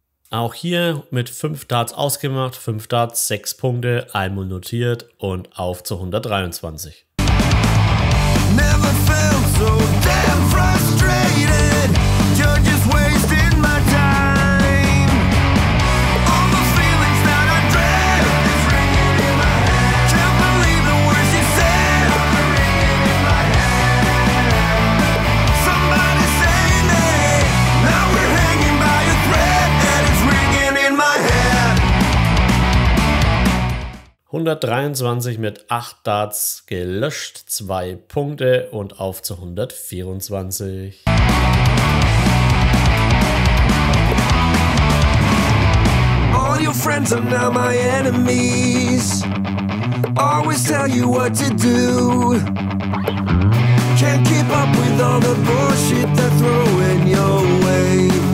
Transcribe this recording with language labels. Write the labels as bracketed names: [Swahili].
[German] Auch hier mit 5 Darts ausgemacht, 5 Darts, 6 Punkte, einmal notiert und auf zu 123. [English] Never felt so damn frustrated. You're just wasting my time. All the feelings that I dread is ringing in my head. Can't believe the words you said are ringing in my head. Somebody say your name. Now we're hanging by a thread that is ringing in my head. [German] 123 mit 8 Darts gelöscht, 2 Punkte und auf zu 124. [English] All your friends are now my enemies. Always tell you what to do. Can't keep up with all the bullshit they're throwing your way.